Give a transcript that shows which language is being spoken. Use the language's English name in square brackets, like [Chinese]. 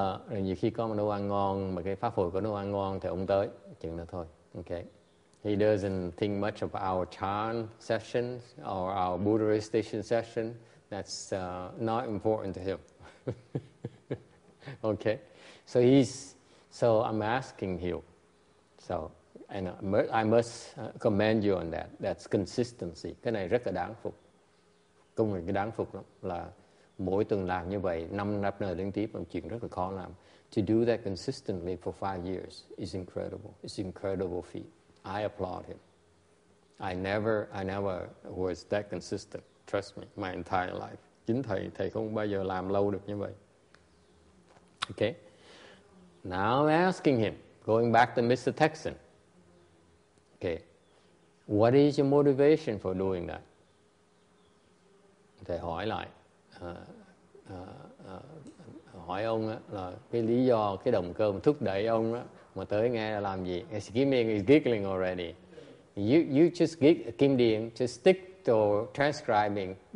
[Vietnamese] Rồi nhiều khi có một đồ ăn ngon, mà cái pháp hội có đồ ăn ngon thì ông tới, chừng đó thôi. [English] Okay. He doesn't think much of our chan session or our Buddha recitation session. That's not important to him. Okay. So I'm asking you. So, and I must commend you on that. That's consistency. [Vietnamese] Cái này rất là đáng phục. Công việc đáng phục lắm là mỗi tuần làm như vậy, năm năm nơi liên tiếp, một chuyện rất là khó làm. [English] To do that consistently for 5 years is incredible. It's an incredible feat. I applaud him. I never was that consistent. Trust me, my entire life. [Vietnamese] Chính thầy không bao giờ làm lâu được như vậy. [English] Okay. Now I'm asking him, going back to Mr. Texan. Okay. What is your motivation for doing that? [Vietnamese] Thầy hỏi lại. Hỏi ông là cái lý do, cái động cơ mà thúc đẩy ông mà tới nghe là làm gì. [English] He's giggling already. You just get Kim Điền, just stick to transcribing.